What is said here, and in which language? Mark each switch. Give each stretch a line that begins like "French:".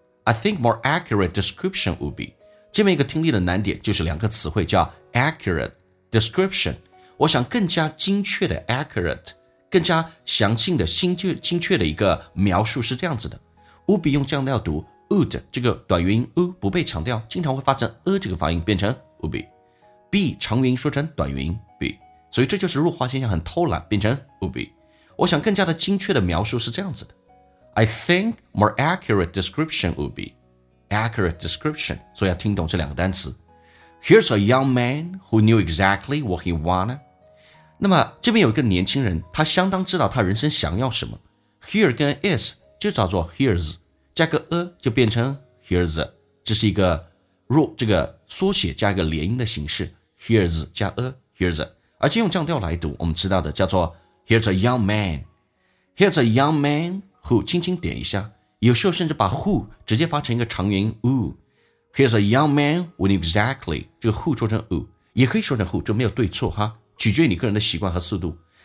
English: I think more accurate description would be,
Chinese: 这边一个听力的难点就是两个词汇叫 accurate description, 我想更加精确的 accurate, 更加详尽的精确的一个描述是这样子的 would be 用降调读Would 这个短元音 u 不被强调，经常会发成 a 这个发音，变成 would be。 b 长元音说成短元音 be， 所以这就是弱化现象，很偷懒，变成 would be。我想更加的精确的描述是这样子的 ：
English: I think more accurate description
Chinese: would be accurate description。所以要听懂这两个单词。
English: Here's a young man who knew exactly what he wanted。
Chinese: 那么这边有一个年轻人，他相当知道他人生想要什么。 Here 跟 is 就叫做 here's。加个 a 就变成 here's, 这是一个弱这个缩写加一个连音的形式 here's 加 a here's, 而且用降调来读，我们知道的叫做
English: here's a young man, here's a young man who 轻轻点一下，有时候甚至把 who 直接发成一个长元音 oo, here's a young man who knew exactly,
Chinese: 这个 who 说成 oo, 也可以说成 who, 这没有对错哈，取决于你个人的习惯和速度。